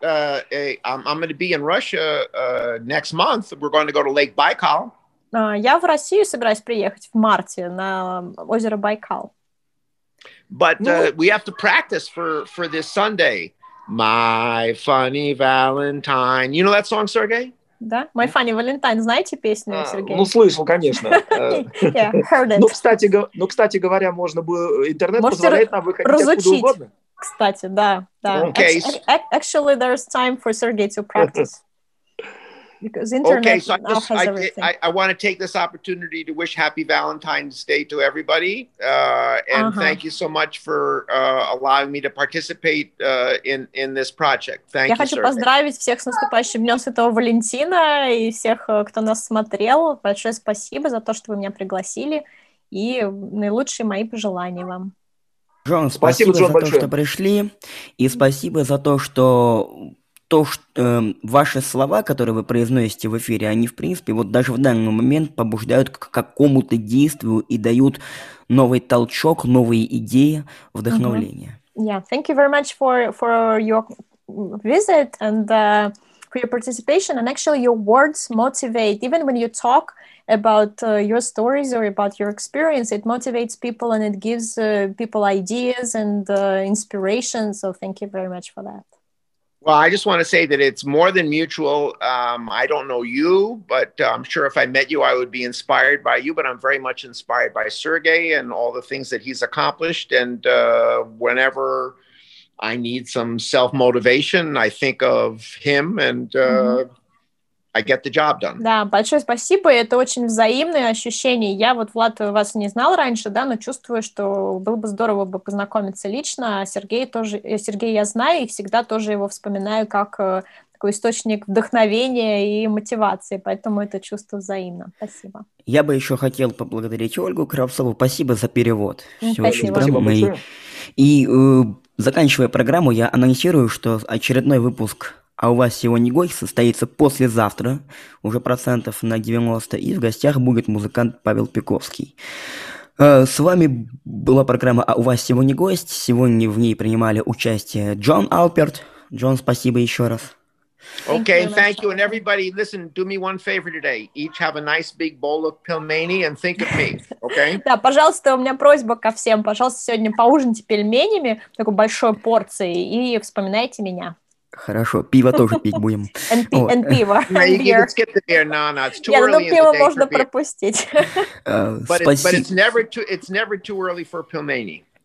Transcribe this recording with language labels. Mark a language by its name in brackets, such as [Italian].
[English] I'm going to be in Russia next month. We're going to go to Lake Baikal. [Russian] Я в Россию собираюсь приехать в марте на озеро Байкал. [English] But we have to practice for this Sunday. My funny Valentine. You know that song, Sergey? [Russian] Да, My funny Valentine. Знаете песню, Сергей? Ну, слышал, конечно. [English] Yeah, heard it. [Russian] Кстати говоря, можно было... Интернет позволяет нам выходить откуда угодно. Можете разучить, кстати, да. [English] Okay. Actually, there's time for Sergey to practice. Because internet okay, so now has everything. I want to take this opportunity to wish Happy Valentine's Day to everybody, and thank you so much for allowing me to participate in this project. Thank [Russian] я [English] you, [Russian] хочу [English] Sergey. [Russian] Поздравить всех с наступающим днем Святого Валентина и всех, кто нас смотрел. Большое спасибо за то, что вы меня пригласили, и наилучшие мои пожелания вам. Джон, спасибо Джон, за большое. То, что пришли, и спасибо за то, что... То, что ваши слова, которые вы произносите в эфире, они, в принципе, вот даже в данный момент побуждают к какому-то действию и дают новый толчок, новые идеи, вдохновление. Mm-hmm. [English] Yeah, thank you very much for your visit and for your participation. And actually, your words motivate, even when you talk about your stories or about your experience, it motivates people and it gives people ideas and inspiration. So thank you very much for that. Well, I just want to say that it's more than mutual. I don't know you, but I'm sure if I met you, I would be inspired by you. But I'm very much inspired by Sergey and all the things that he's accomplished. And whenever I need some self-motivation, I think of him and I get the job done. [Russian] Да, большое спасибо. Это очень взаимные ощущения. Я вот, Влад, вас не знал раньше, да, но чувствую, что было бы здорово бы познакомиться лично. А Сергей тоже, Сергей я знаю и всегда тоже его вспоминаю как такой источник вдохновения и мотивации. Поэтому это чувство взаимно. Спасибо. Я бы еще хотел поблагодарить Ольгу Кравцову. Спасибо за перевод. Спасибо. Очень спасибо большое. И заканчивая программу, я анонсирую, что очередной выпуск... А у вас сегодня гость состоится послезавтра, уже процентов на 90, и в гостях будет музыкант Павел Пиковский. С вами была программа «А у вас сегодня гость». Сегодня в ней принимали участие Джон Алперт. Джон, спасибо еще раз. [English] Okay, thank you. And everybody, listen, do me one favor today. Each have a nice big bowl of pelmeni and think of me, okay? [Russian] Да, пожалуйста, у меня просьба ко всем. Пожалуйста, сегодня поужинайте пельменями, такой большой порцией, и вспоминайте меня. Хорошо, пиво тоже пить будем. [English] And пиво. Let's get the beer. No, it's too early in the day. [Russian] Пиво можно пропустить. [English] But it's never too early for pelmeni.